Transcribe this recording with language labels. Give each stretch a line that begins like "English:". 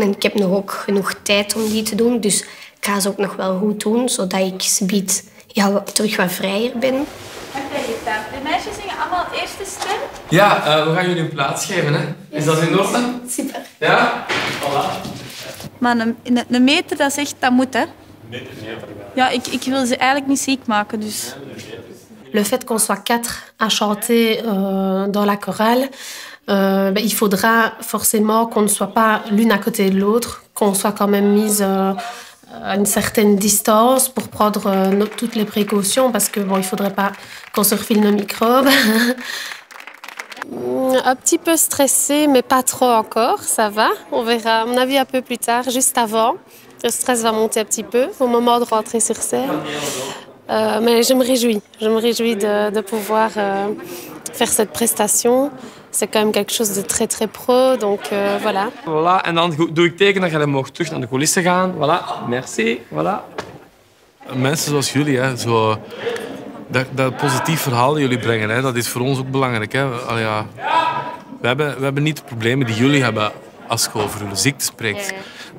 Dutch: En ik heb nog ook genoeg tijd om die te doen. Dus ik ga ze ook nog wel goed doen, zodat ik ze biedt, ja, terug wat vrijer ben. De meisjes zingen allemaal het eerste stem. Ja, we gaan jullie een plaats geven. Hè. Is dat in orde? Super. Ja? Voilà. Maar een meter, dat zegt dat moet, hè? Ja, ik wil ze eigenlijk niet ziek maken, dus...
French: Le fait qu'on soit quatre à chanter dans la chorale, il faudra forcément qu'on ne soit pas l'une à côté de l'autre, qu'on soit quand même mise à une certaine distance pour prendre toutes les précautions, parce que bon, il faudrait pas qu'on se refile nos microbes. Un petit peu stressée, mais pas trop encore, ça va. On verra, à mon avis, un peu plus tard, juste avant. Le stress va monter un petit peu au moment de rentrer sur scène. Mais je me réjouis. Je me réjouis de pouvoir faire cette prestation. C'est quand même quelque chose de très, très pro. Donc, voilà.
Dutch: Voilà, et dan doe ik teken, dan ga je mogen terug naar de coulissen gaan.
French: Voilà, merci. Voilà.
Dutch: Mensen zoals jullie, hè, zo, dat positief verhaal dat jullie brengen, hè, dat is voor ons ook belangrijk. Hè. Allee, ja. We hebben niet de problemen die jullie hebben als je over jullie ziekte spreekt. Ja.